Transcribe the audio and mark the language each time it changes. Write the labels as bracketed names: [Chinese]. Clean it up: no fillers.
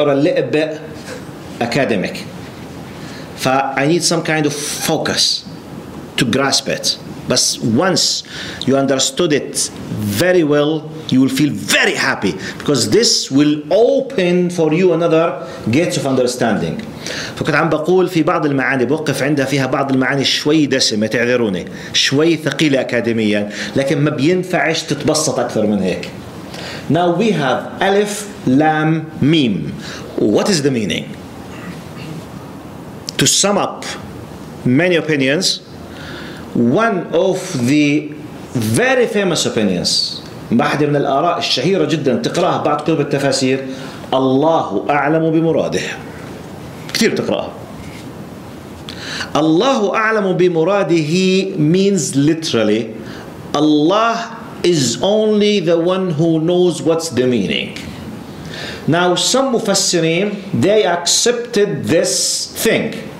[English] Or a little bit academic. I need some kind of focus to grasp it. But once you understood it very well, you will feel very happy because this will open for you another gates of understanding. [Arabic] فكنت عم بقول في بعض المعاني بوقف عندها فيها بعض المعاني شوي دسمة تعذروني شوي ثقيلة أكاديميا لكن ما بينفعش تتبسط أكثر من هيك. [English] Now we have ألف لام ميم. What is the meaning? To sum up many opinions, one of the very famous opinions, [Arabic] واحدة من الآراء الشهيرة جدا تقرأها بعد كتب التفاسير, الله أعلم بمراده. كثير تقرأها. الله أعلم بمراده [English] means literally Allah is only the one who knows what's the meaning. Now, some Mufassirin, they accepted this thing.